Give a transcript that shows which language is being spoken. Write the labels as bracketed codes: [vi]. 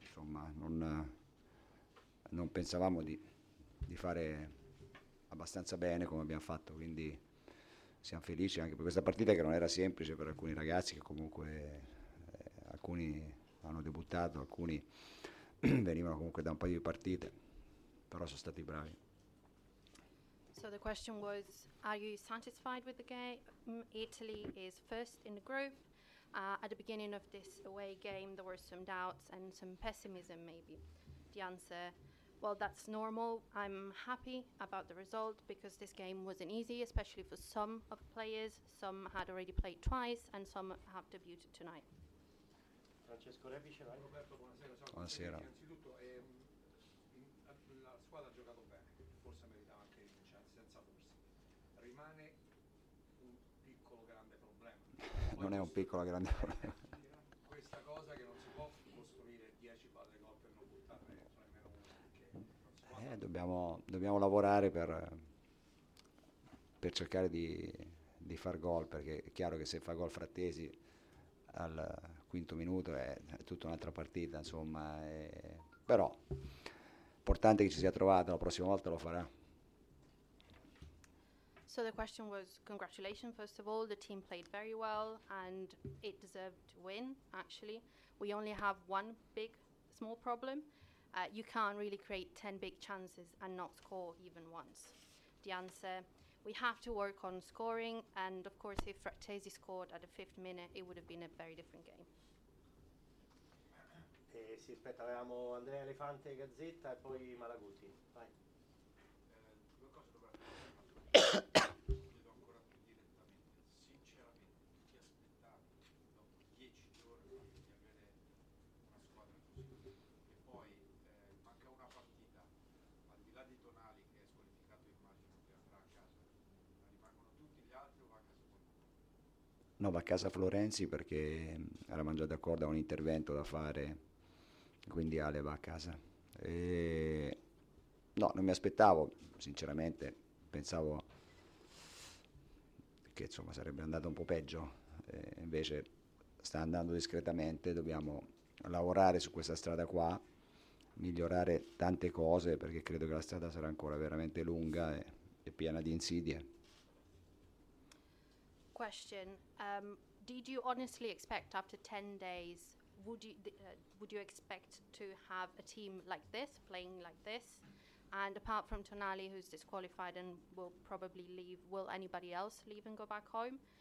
[it] Insomma, non pensavamo di fare abbastanza bene come abbiamo fatto, quindi siamo felici anche per questa partita che non era semplice per alcuni ragazzi che comunque alcuni hanno debuttato, alcuni venivano comunque da un paio di partite, però sono stati bravi. [en] So the question was, are you satisfied with the game? Italy is first in the group. At the beginning of this away game, there were some doubts and some pessimism, maybe. The answer, well, that's normal. I'm happy about the result because this game wasn't easy, especially for some of the players. Some had already played twice and some have debuted tonight. [it] Francesco Repice, Roberto, buonasera. Buonasera. Innanzitutto, la squadra ha giocato bene, forse meritava anche il vincere, senza forse. Rimane un piccolo grande problema. Non è un piccolo grande problema. Questa cosa che non si può costruire 10 palle gol per non buttare nemmeno uno. Dobbiamo lavorare per cercare di far gol, perché è chiaro che se fa gol Frattesi al quinto minuto è tutta un'altra partita, insomma. Però importante che ci sia trovato, la prossima volta lo farà. [en] So the question was, congratulations, first of all. The team played very well and it deserved to win, actually. We only have one big, small problem. You can't really create 10 big chances and not score even once. The answer, we have to work on scoring. And of course, if Frattesi scored at the fifth minute, it would have been a very different game. [it] Si aspetta, avevamo Andrea Elefante, Gazzetta e poi Malaguti. No, va a casa Florenzi perché eravamo già d'accordo a un intervento da fare, quindi Ale va a casa. E no, non mi aspettavo, sinceramente, pensavo che insomma sarebbe andato un po' peggio, invece sta andando discretamente, dobbiamo lavorare su questa strada qua, migliorare tante cose, perché credo che la strada sarà ancora veramente lunga e piena di insidie. [en] Question: did you honestly expect after 10 days would you expect to have a team like this playing like this? And apart from Tonali, who's disqualified and will probably leave, will anybody else leave and go back home?